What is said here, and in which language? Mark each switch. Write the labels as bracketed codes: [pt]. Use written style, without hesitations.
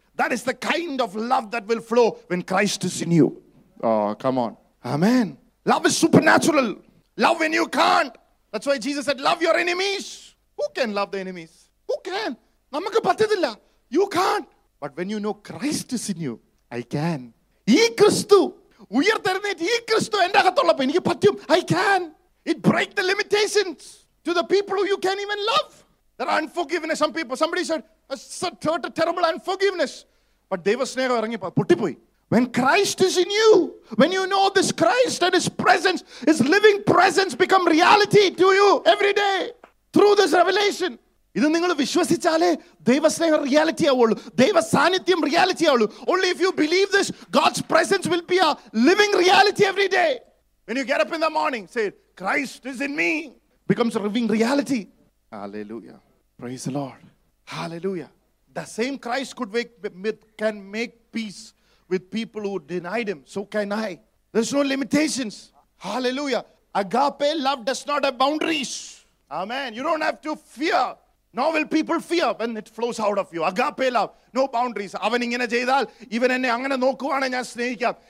[en] That is the kind of love that will flow when Christ is in you. Oh, come on. Amen. Love is supernatural. Love when you can't. That's why Jesus said, "Love your enemies." Who can love the enemies? Who can? [ml] നമുക്ക് പറ്റില്ല. [en] You can't. But when you know Christ is in you, I can. [ml] ഈ ക്രിസ്തു ഉയർത്തെഴുന്നേറ്റ ഈ ക്രിസ്തു എൻ്റെ അകത്തുള്ളപ്പോൾ എനിക്ക് പറ്റും. [en] I can. It breaks the limitations to the people who you can't even love. There are unforgiveness. Some people, somebody said, "That's a terrible unforgiveness." But [ml] ദൈവസ്നേഹം ഇറങ്ങി പൊട്ടി പോയി. [en] When Christ is in you, when you know this Christ and his presence, his living presence become reality to you every day through this revelation. [ml] ഇതു നിങ്ങൾ വിശ്വസിച്ചാലേ ദൈവസ്നേഹം reality ആവുള്ളൂ, ദൈവസാന്നിധ്യം reality ആവുള്ളൂ. [en] Only if you believe this, God's presence will be a living reality every day. When you get up in the morning, say, "Christ is in me," becomes a living reality. Hallelujah. Praise the Lord. Hallelujah. The same Christ can make peace with people who denied him, so can I. There's no limitations. Hallelujah. Agape love does not have boundaries. Amen. You don't have to fear. Nor will people fear when it flows out of you. Agape love, no boundaries. [ml] അവൻ ഇങ്ങനെ ചെയ്താൽ ഇവൻ എന്നെ അങ്ങനെ നോക്കുവാണെങ്കിൽ ഞാൻ സ്നേഹിക്കാം.